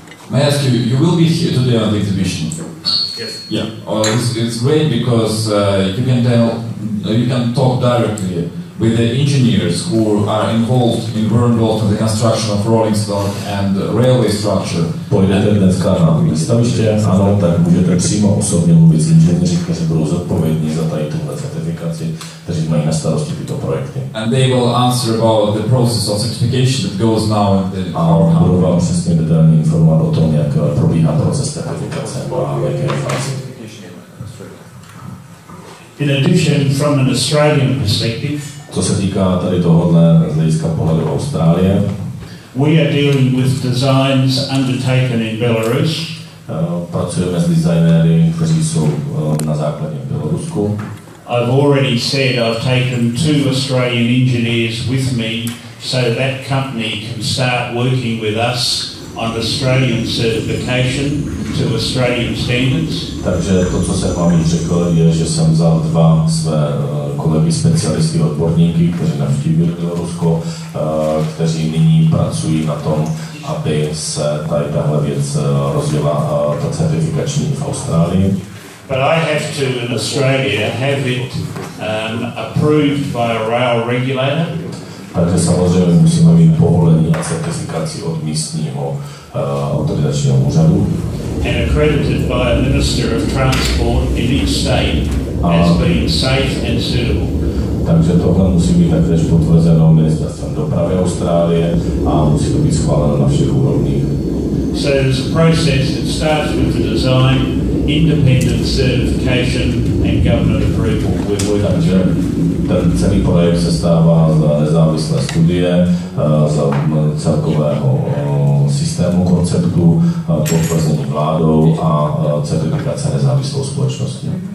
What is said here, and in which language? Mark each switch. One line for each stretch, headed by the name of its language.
English: May I ask you, you will be here today on the exhibition? Yes. Yeah. Oh, it's great because you can talk directly with the engineers who are involved in Burnwald in the construction of rolling stock and railway structure.
Czech: Pojďte dneska na výstaviště, ano, tak můžete přímo osobně mluvit s inženýři, kteří budou zodpovědní za tady tuhle certifikaci, kteří mají na starosti tyto projekty.
English: And they will answer about the process of certification that goes now in the
Czech: company. A budou vám přesně detailně informovat o tom, jak probíhá proces certifikace a v jaké fázi.
English: In addition, from an Australian perspective,
Czech: co se týká tady tohohle z hlediska pohledu Austrálie,
English: we are dealing with designs undertaken in Belarus.
Czech: Pracujeme s designéry, kteří jsou na základě v Bělorusku.
English: I've already said I've taken two Australian engineers with me so that company can start working with us on Australian certification to Australian standards.
Czech: Takže to, co jsem vám řekl, je, že jsem vzal dva své kolegy specialisty, odborníky, kteří navštívili Bělorusko, kteří nyní pracují na tom, aby se tady tahle věc rozjela, ta certifikační v Austrálii.
English: But I have to, in Australia, have it approved by a rail regulator.
Czech: Takže samozřejmě musíme mít povolení a certifikaci od místního autorizačního úřadu.
English: And accredited by a minister of transport in each state as being safe and suitable.
Czech: Takže tohle musí být taktéž potvrzeno ministerstvem dopravy Austrálie a musí to být schváleno na všech úrovních.
English: So there's a process that starts with the design, independent certification and government approval.
Czech: Takže ten celý projekt se stává za nezávislé studie, za celkového systému konceptu, potvrzení vládou a certifikace nezávislou společnosti.